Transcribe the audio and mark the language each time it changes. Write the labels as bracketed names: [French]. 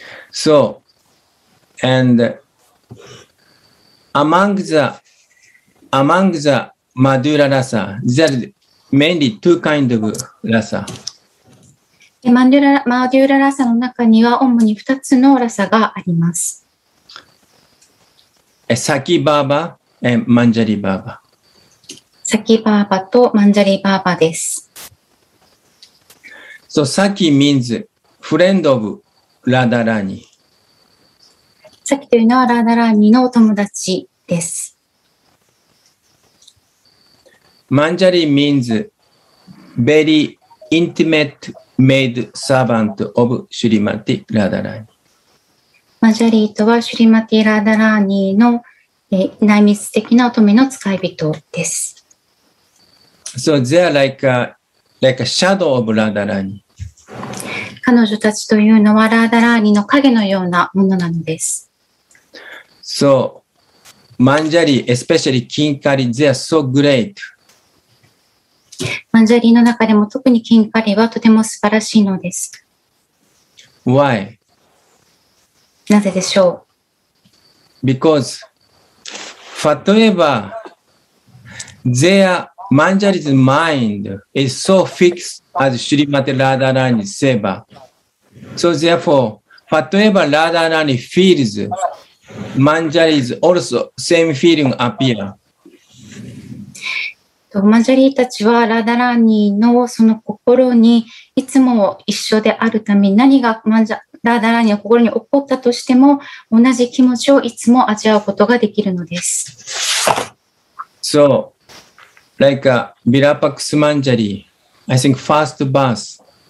[English] So, and among the Madhura Rasa, there are mainly two kinds of Rasa. [Japanese] マデューラ ラサの中には主に2つのラサがあります。サキバーバとマンジャリバーバ。サキバーバとマンジャリバーバです。 [English] So, サキ means friend of ラダラニ。 [Japanese] サキというのはラダラニのお友達です。 [English] マンジャリ means very intimateMade servant of Shrimati Radharani. [Japanese] Manjari とは Shrimati Radharani の内密的な乙女の使い人です。 [English] So they are like a shadow of Radharani. [Japanese] 彼女たちというのはラーダラーニの影のようなものなのです。 [English] So, Manjari, especially Kinkari, they are so great. [Japanese] Manjari の中でも特に Kinkari はとても素晴らしいのです。 [English] Why? [Japanese] なぜでしょう? [English] Because, Fatueba, their Manjari's mind is so fixed as Shrimati Radharani Seva. So therefore, whatever Radharani feels, Manjari is also same feeling appear. [Japanese] Manjari たちはラダラーニのその心にいつも一緒であるため、何がラダラーニの心に起こったとしても、同じ気持ちをいつも味わうことができるのです。 [English] So, like a Virapaksha Manjari, I think first verse.